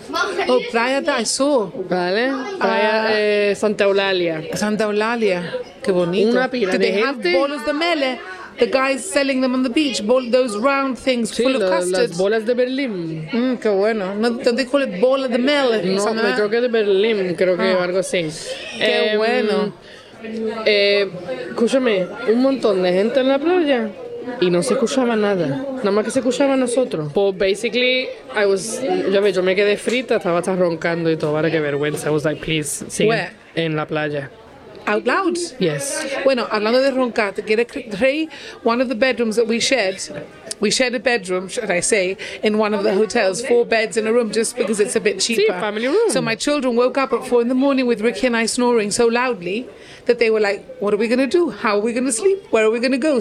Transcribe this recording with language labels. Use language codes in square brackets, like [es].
[en] Oh, playa that I saw. [es] Vale, playa Santa Eulalia. Santa Eulalia, qué bonito. Una pila de gente. [en] Did they have [es] bolas de mele? [en] The guys selling them on the beach, those round things [es] sí, [en] full of custard. [es] Las bolas de Berlín. Qué bueno. [en] No, don't they call it bola de mel? [es] No, me creo que de Berlín, creo que algo así. Qué bueno. Escúchame, un montón de gente en la playa y no se escuchaba nada. Nada más que se escuchaba a nosotros. Pues, [en] basically, I was, [es] ya ves, yo me quedé frita, estaba hasta roncando y todo, ahora qué vergüenza. [en] I was like, please, [es] sí, en la playa. [en] Out loud? Yes. [es] Bueno, hablando de roncar, te quiero traer [en] one of the bedrooms that we shared a bedroom, should I say, in one of the hotels, four beds in a room, just because it's a bit cheaper. Sí, family room. So my children woke up at 4 a.m. with Ricky and I snoring so loudly that they were like, what are we going to do? How are we going to sleep? Where are we going to go?